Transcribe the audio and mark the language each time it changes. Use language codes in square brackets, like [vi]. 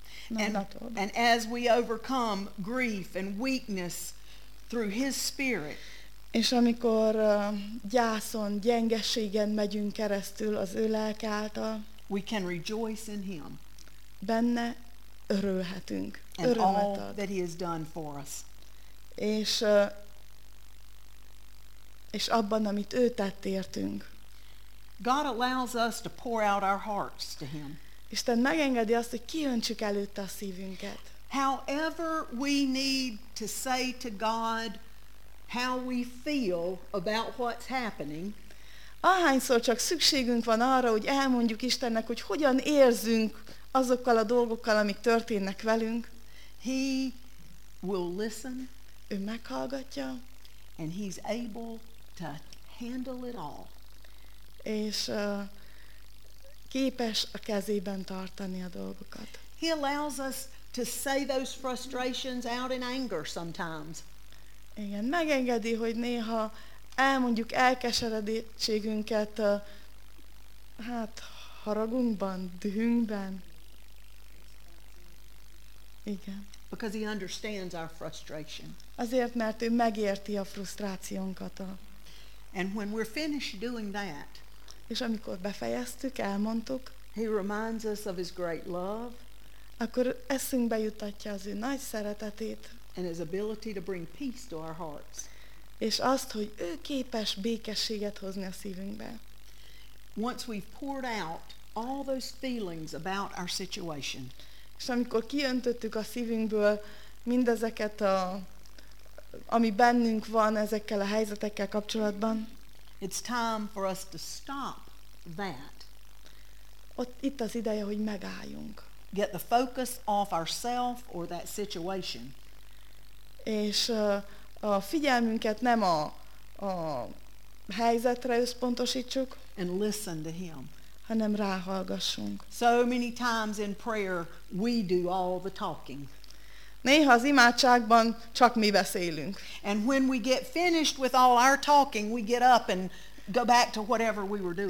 [en] And as we overcome grief and weakness through his spirit, [hu] és amikor gyászon, gyengeségen megyünk keresztül az ő lelke által, [en] we can rejoice in him. [hu] Benne örülhetünk. [en] And [hu] örömet [en] all [hu] ad. [en] That he has done for us. [hu] És abban, amit ő tett értünk. [en] God allows us to pour out our hearts to him. [hu] Isten megengedi azt, hogy kiöntsük előtte a szívünket. [en] However we need to say to God how we feel about what's happening. [hu] Ahányszor csak szükségünk van arra, hogy elmondjuk Istennek, hogy hogyan érzünk azokkal a dolgokkal, amik történnek velünk. [en] He will listen. [hu] Ő meghallgatja. [en] And he's able to handle it all. [hu] És képes a kezében tartani a dolgokat. [en] He allows us to say those frustrations out in anger sometimes. [hu] Igen, megengedi, hogy néha elmondjuk elkeseredettségünket, hát haragunkban, dühünkben. Igen. [en] Because he understands our frustration. [hu] Azért, mert ő megérti a frusztrációnkat. [en] And when we're finished doing that, [hu] és amikor befejeztük, elmondtuk, [en] he reminds us of his great love, [hu] akkor eszünkbe jutatja az ő nagy szeretetét, [en] and his ability to bring peace to our hearts. [hu] És azt, hogy ő képes békességet hozni a szívünkbe. [en] Once we've poured out all those feelings about our situation, [hu] és amikor kiöntöttük a szívünkből mindezeket a, ami bennünk van ezekkel a helyzetekkel kapcsolatban, [en] it's time for us to stop that. [hu] Ott itt az ideje, hogy megálljunk. [en] Get the focus off ourselves or that situation. [hu] És a figyelmünket nem a, a helyzetre összpontosítsuk, [en] and listen to him. [hu] Hanem ráhallgassunk. [en] So many times in prayer we do all the talking. [hu] Néha az imádságban csak mi beszélünk. [en] And when we get finished with all our talking, we get up and go back to whatever we were doing.